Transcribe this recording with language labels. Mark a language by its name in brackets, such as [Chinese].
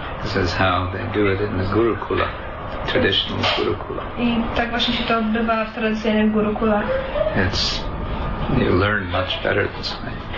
[English] This is how they do it in the Gurukula, traditional Gurukula. [Polish] I tak właśnie się to odbywa w tradycyjnym Gurukula. [English] You learn much better this way.